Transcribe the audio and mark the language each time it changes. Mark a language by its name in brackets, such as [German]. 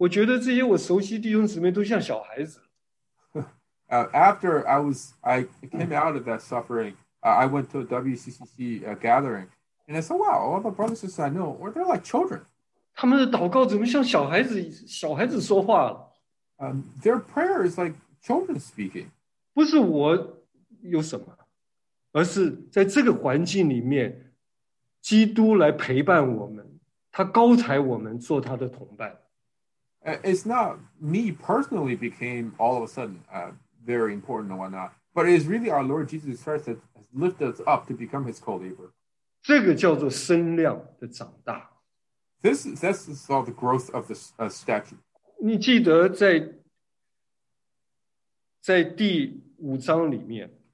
[Chinese] 我经过那一段日子出来，我再去参加西岸特会，我觉得这些我熟悉弟兄姊妹都像小孩子。 [English] After I came out of that suffering, I went to a WCCC gathering, and I said, wow, all the brothers and sisters I know, or they're like children. [Chinese] 他们的祷告怎么像小孩子说话了？ [English] Their prayer is like children speaking. [Chinese] 不是我有什么，而是在这个环境里面，基督来陪伴我们，他高抬我们做他的同伴。 [English] It's not me personally became all of a sudden very important or whatnot, but it's really our Lord Jesus Christ that has lifted us up to become his co-labor. [Chinese] 这个叫做身量的长大。 [English] This is all the growth of the statue. [Chinese] 你记得在 在第五章里面,